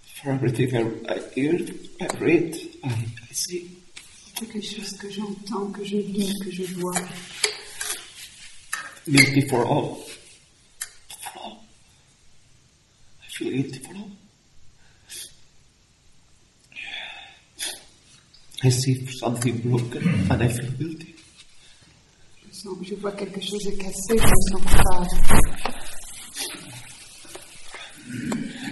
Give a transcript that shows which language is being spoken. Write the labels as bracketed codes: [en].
[en] Everything I hear, I read, and I see. [fr] Quelque chose que j'entends, que je lis, que je vois. [en] Live before all. Before all. I feel it before all. I see something broken, and I feel guilty. [fr] Je vois quelque chose de cassé, je me sens coupable.